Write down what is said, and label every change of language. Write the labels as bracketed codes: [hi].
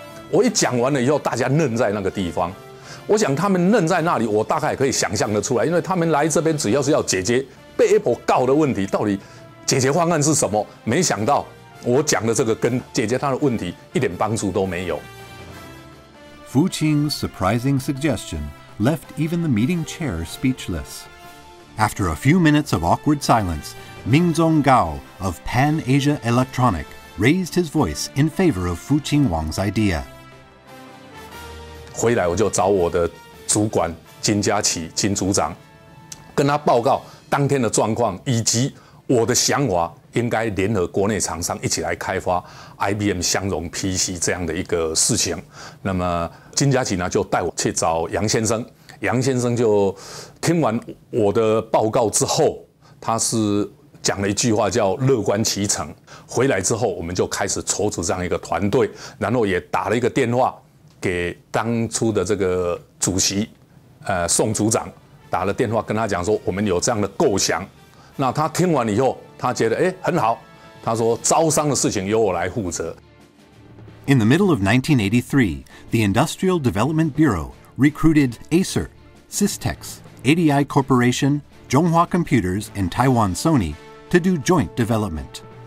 [zh] 我一讲完了以后，大家愣在那个地方。我想他们愣在那里，我大概可以想象的出来，因为他们来这边只要是要解决被 Apple 告的问题，到底解决方案是什么？没想到我讲的这个跟解决他的问题一点帮助都没有。 [en] Fu Qing's surprising suggestion left even the meeting chair speechless. After a few minutes of awkward silence, Mingzong Gao of Pan Asia Electronic raised his voice in favor of Fu Qing Wang's idea. [zh] 回来我就找我的主管金家琪金组长，跟他报告当天的状况以及我的想法，应该联合国内厂商一起来开发 IBM 相容 PC 这样的一个事情。那么金家琪呢就带我去找杨先生，杨先生就听完我的报告之后，他是讲了一句话叫乐观其成。回来之后我们就开始筹组这样一个团队，然后也打了一个电话给当初的这个主席，宋组长打了电话跟他讲说，我们有这样的构想。那他听完以后，他觉得很好。他说，招商的事情由我来负责。 [en] In the middle of 1983, the Industrial Development Bureau recruited Acer, Systex, ADI Corporation, Zhonghua Computers, and Taiwan Sony to do joint development.